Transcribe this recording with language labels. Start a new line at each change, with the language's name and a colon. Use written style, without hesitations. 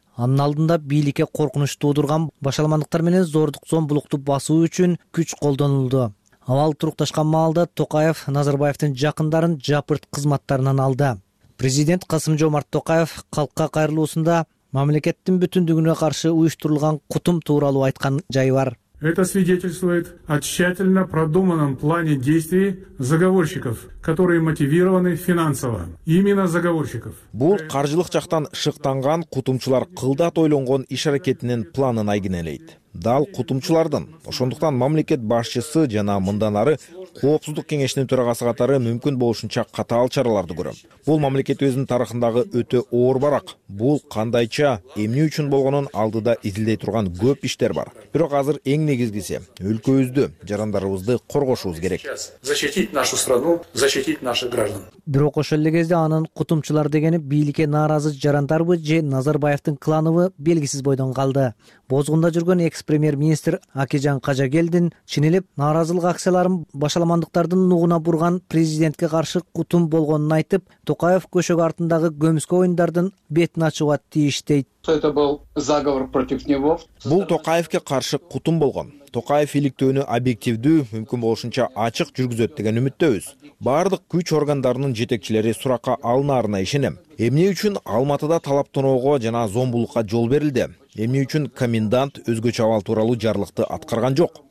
Kyrgyz: Анын алдында бийликке коркунуч туудурган башалмандыктар менен зордук зомбулукту басуу үчүн күч колдонулду. Абал турукташкан маалда Токаев Назарбаевдин жакындарын жапырт кызматтарынан алды. Президент Касым Жомарт Токаев калкка кайрылуусунда мамлекеттин бүтүндүгүнө каршы уюштурулган кутум тууралуу айткан жай бар.
Russian: Это свидетельствует о тщательно продуманном плане действий заговорщиков, которые мотивированы финансово. Именно заговорщиков.
Kyrgyz: Бул каржылык жактан шыктанган кутумчулар кылдат ойлонгон иш-аракетинин планын айгинелейт. Дал кутумчулардын. Ошондуктан мамлекет башчысы жана мындан ары коопсуздук кеңешинин төрагасы катары мүмкүн болушунча катаал чараларды көрөм. Бул мамлекет өзүнүн тарыхындагы өтө оор барак. Бул кандайча эмне үчүн болгонун алдыда изилдей турган көп иштер бар. Бирок азыр эң негизгиси өлкөбүздү, жарандарыбызды коргошубуз керек.
Russian: Защитить нашу страну, защитить наших граждан.
Kyrgyz: Бирок ошол эле кезде анын кутумчулар дегени бийликке нааразы жарандарбы же Назарбаевдин кланыбы белгисиз бойдон калды. Бозгунда жүргөн экс-премьер-министр Акежан Кажагелдин чинилип нааразылык акцияларын башалмандыктардын угуна бурган президентке каршы кутум болгонун айтып, Токаев көшөгө артындагы көмүскө оюндардын бетин ачууга тийиш дейт.
Russian: Это был заговор против него.
Kyrgyz: Бул Токаевке каршы кутум болгон. Токаев иликтөөнү объективдүү, мүмкүн болушунча ачык жүргүзөт деген үмүттөбүз. Бардык күч органдарынын жетекчилери суракка алынаарына ишенем. Эмне үчүн Алматыда талаптоого жана зомбулукка жол берилди? Эмне үчүн комендант өзгөчө абал тууралуу жарлыкты аткарган жок?